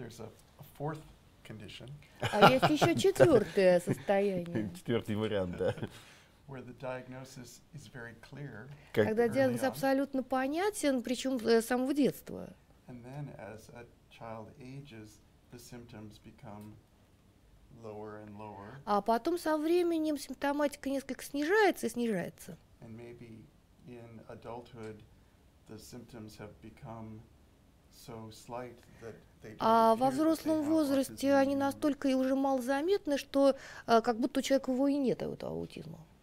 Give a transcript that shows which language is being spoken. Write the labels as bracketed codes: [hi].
[ru] Есть еще четвертое состояние. Четвертый вариант, да. [en] Where the diagnosis is very clear, [ru] когда диагноз абсолютно понятен, причем с самого детства. [en] And then as a child ages, the symptoms become lower and lower. [ru] А потом со временем симптоматика несколько снижается и снижается. [en] And maybe in adulthood, the symptoms have become so slight that [ru] а во взрослом возрасте они настолько и уже малозаметны, что как будто у человека его и нет, этого аутизма.